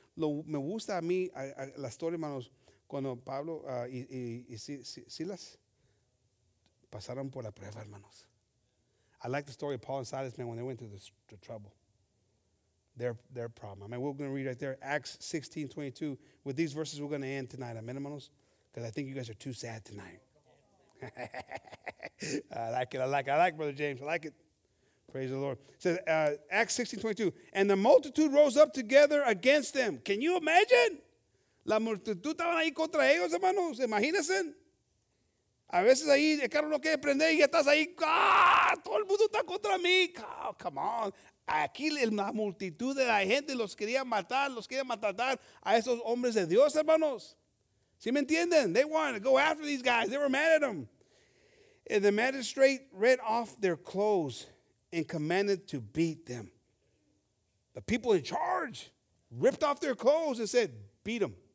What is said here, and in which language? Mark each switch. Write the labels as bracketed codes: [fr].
[es] Me gusta a mí la historia, hermanos, cuando Pablo y Silas pasaron por la prueba, hermanos. [en] I like the story of Paul and Silas, man, when they went through the trouble. Their problem. I mean, we're going to read right there, Acts 16:22. With these verses, we're going to end tonight. Amen, hermanos? Because I think you guys are too sad tonight. I like it. I like it. I like it, Brother James. I like it. Praise the Lord. It says Acts 16:22, and the multitude rose up together against them. Can you imagine? [es] La multitud estaban ahí contra ellos, hermanos. Imagínense. A veces ahí el carro no quiere prender y ya estás ahí. Ah, todo el mundo está contra mí. [en] Oh, come on. [es] Aquí la multitud de la gente los quería matar, los quería matar a esos hombres de Dios, hermanos. ¿Sí me entienden? [en] They wanted to go after these guys. They were mad at them. And the magistrate read off their clothes and commanded to beat them. The people in charge ripped off their clothes and said, beat them.